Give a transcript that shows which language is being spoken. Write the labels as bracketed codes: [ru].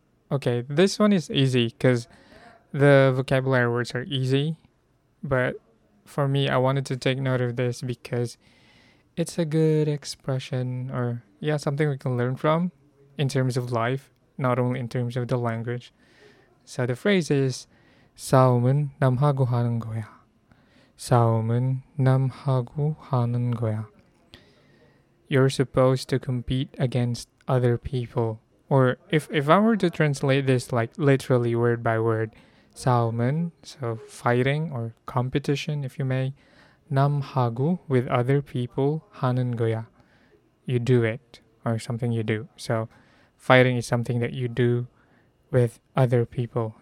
[en] Okay, this one is easy because the vocabulary words are easy. But for me, I wanted to take note of this because it's a good expression, or yeah, something we can learn from in terms of life, not only in terms of the language. [ko] So the phrase is 싸움은 남하고 하는 거야. 싸움은 남하고 하는 거야. [en] You're supposed to compete against other people. Or if I were to translate this like literally word by word, 싸움은, so fighting or competition if you may, 남하고, with other people, [ko] 하는 거야. [en] You do it, or something you do. So fighting is something that you do with other people.